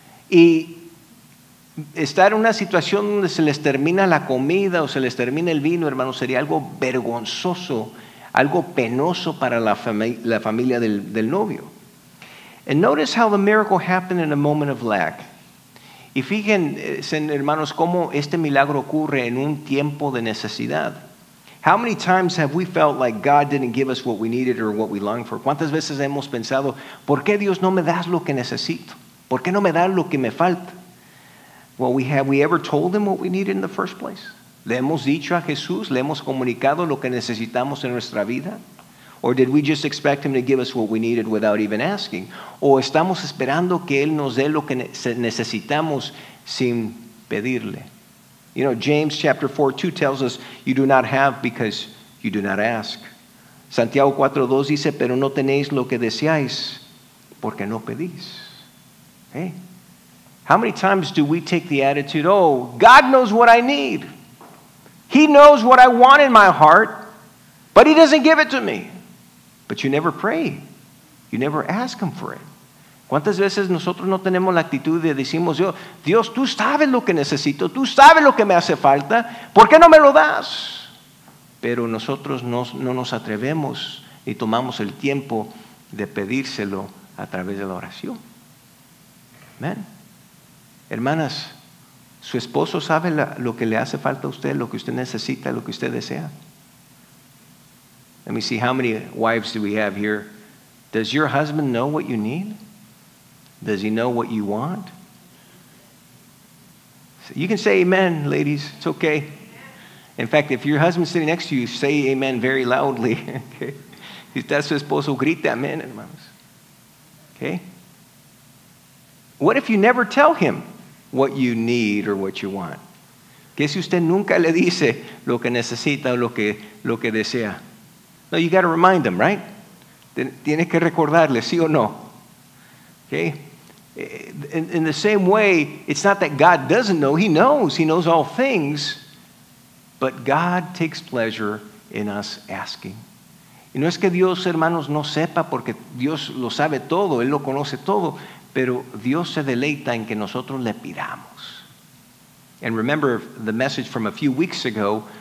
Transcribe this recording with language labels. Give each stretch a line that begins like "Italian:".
Spanish: Y estar en una situación donde se les termina la comida o se les termina el vino, hermano, sería algo vergonzoso, algo penoso para la familia del novio.
English: And notice how the miracle happened in a moment of lack.
Spanish: Y fíjense, hermanos, cómo este milagro ocurre en un tiempo de necesidad.
English: How many times have we felt like God didn't give us what we needed or what we longed for?
Spanish: ¿Cuántas veces hemos pensado, ¿por qué Dios no me das lo que necesito? ¿Por qué no me das lo que me falta?
English: Well, have we ever told Him what we needed in the first place?
Spanish: ¿Le hemos dicho a Jesús? ¿Le hemos comunicado lo que necesitamos en nuestra vida?
English: Or did we just expect Him to give us what we needed without even asking?
Spanish: ¿O estamos esperando que Él nos dé lo que necesitamos sin pedirle?
English: You know, James chapter 4:2 tells us, you do not have because you do not ask.
Spanish: Santiago 4:2 dice, pero no tenéis lo que deseáis porque no pedís.
English: Hey, how many times do we take the attitude, oh, God knows what I need. He knows what I want in my heart, but He doesn't give it to me. But you never pray. You never ask Him for it.
Spanish: ¿Cuántas veces nosotros no tenemos la actitud de decimos, Dios, tú sabes lo que necesito, tú sabes lo que me hace falta, ¿por qué no me lo das? Pero nosotros no nos atrevemos y tomamos el tiempo de pedírselo a través de la oración. Amén. Hermanas, ¿su esposo sabe lo que le hace falta a usted, lo que usted necesita, lo que usted desea?
English: Let me see, how many wives do we have here? Does your husband know what you need? Does he know what you want? You can say amen, ladies. It's okay. In fact, if your husband's sitting next to you, say amen very loudly. Okay.
Spanish: Si está su esposo, grite amen, hermanos. Okay.
English: What if you never tell him what you need or what you want?
Spanish: ¿Qué si usted nunca le dice lo que necesita o lo que desea?
English: No, you got to remind him, right?
Spanish: Tiene que recordarle, sí o no.
English: Okay. In the same way, it's not that God doesn't know. He knows. He knows all things. But God takes pleasure in us asking.
Spanish: Y no es que Dios, hermanos, no sepa, porque Dios lo sabe todo. Él lo conoce todo. Pero Dios se deleita en que nosotros le pidamos.
English: And remember the message from a few weeks ago.